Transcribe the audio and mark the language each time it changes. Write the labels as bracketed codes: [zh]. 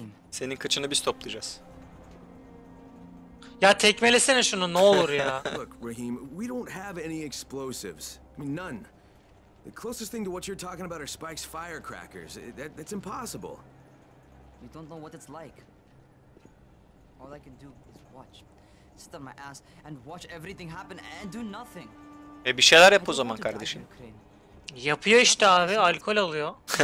[tr] Senin kıçını biz toplayacağız. Ya tekmelesene şunu ne olur ya. [en] Look, Rahim, we don't have any explosives. I mean, none. The closest thing to what you're talking about are Spike's firecrackers. That's impossible. You don't know what it's like. All I can do is watch. sit on my ass and watch everything happen and do nothing. [tr] E bir şeyler yap o zaman kardeşim. Yapıyor işte abi, alkol alıyor.